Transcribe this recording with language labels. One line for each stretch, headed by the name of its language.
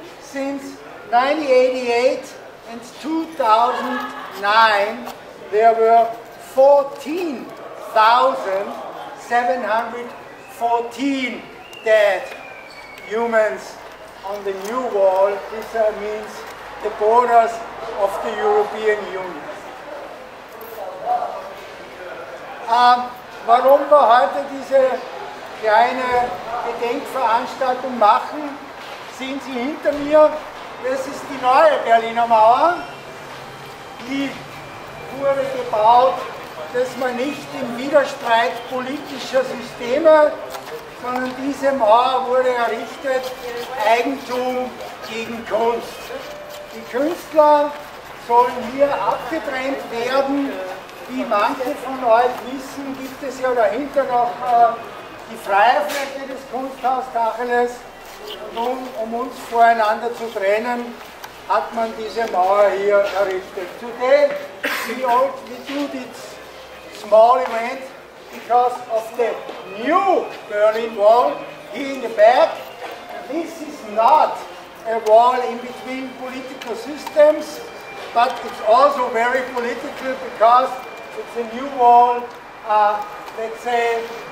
English: Since 1988 and 2009, there were 14,714 dead humans on the new wall. This means the borders of the European Union.
German: Warum wir heute diese kleine Gedenkveranstaltung machen, sehen Sie hinter mir. Das ist die neue Berliner Mauer. Die wurde gebaut, dass man nicht im Widerstreit politischer Systeme, sondern diese Mauer wurde errichtet, Eigentum gegen Kunst. Die Künstler sollen hier abgetrennt werden. Wie manche von euch wissen, gibt es ja dahinter noch die freie Fläche des Kunsthaus Tacheles. Nun, um uns voreinander zu trennen, hat man diese Mauer hier errichtet.
English: Today, we do this small event because of the new Berlin Wall here in the back. This is not a wall in between political systems, but it's also very political because it's a new wall, let's say,